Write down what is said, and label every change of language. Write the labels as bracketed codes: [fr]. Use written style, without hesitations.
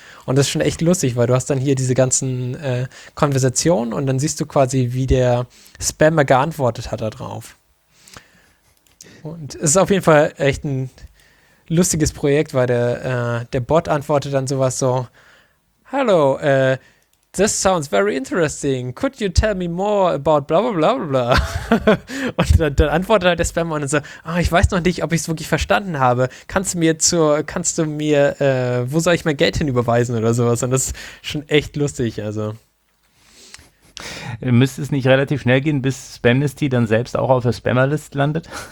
[de] Und das ist schon echt lustig, weil du hast dann hier diese ganzen Konversationen und dann siehst du quasi, wie der Spammer geantwortet hat darauf. Und es ist auf jeden Fall echt ein lustiges Projekt, weil der Bot antwortet dann sowas so: [en] Hello, this sounds very interesting. Could you tell me more about bla bla bla bla? [de] Und dann antwortet halt der Spammer und dann so: Ah, ich weiß noch nicht, ob ich es wirklich verstanden habe. Kannst du mir, wo soll ich mein Geld hinüberweisen oder sowas? Und das ist schon echt lustig, also. Müsste es nicht relativ schnell gehen, bis Spamnesty dann selbst auch auf der Spammerlist landet?